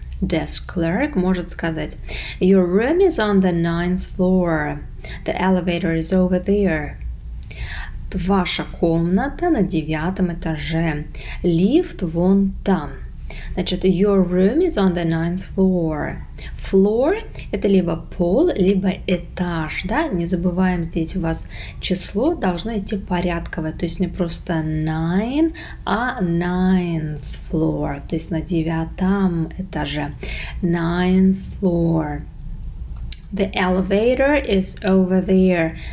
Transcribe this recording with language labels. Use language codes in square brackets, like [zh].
[en] Desk clerk [ru] может сказать, [en] your room is on the ninth floor, the elevator is over there. [ru] Ваша комната на девятом этаже, лифт вон там. Значит, [en] your room is on the ninth floor. [ru] Floor – это либо пол, либо этаж, да? Не забываем здесь у вас число должно идти порядковое. То есть не просто nine, а ninth floor. То есть на девятом этаже. [en] Ninth floor. The elevator is over there.